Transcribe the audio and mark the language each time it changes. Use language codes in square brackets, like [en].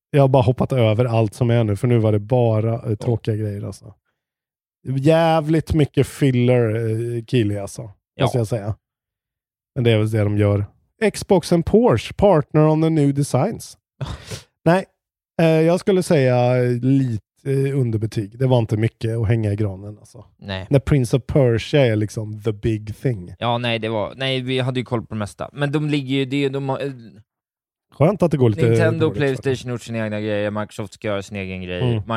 [sv] Jag har bara hoppat över allt som är nu, för nu var det bara tråkiga grejer. Alltså. Jävligt mycket filler Kili, alltså. Ja. Måste jag säga. Men det är väl det de gör. [en] Xbox and Porsche, partner on the new designs. [sv] Nej, jag skulle säga lite underbetyg. Det var inte mycket att hänga i granen. Alltså. Nej. När Prince of Persia är liksom [en] the big thing. [sv] Ja, nej, det var, nej, vi hade ju koll på det mesta. Men de ligger ju, skönt att det går lite Nintendo och PlayStation gjort sina egna grejer. Microsoft ska göra sin egen grej. Mm.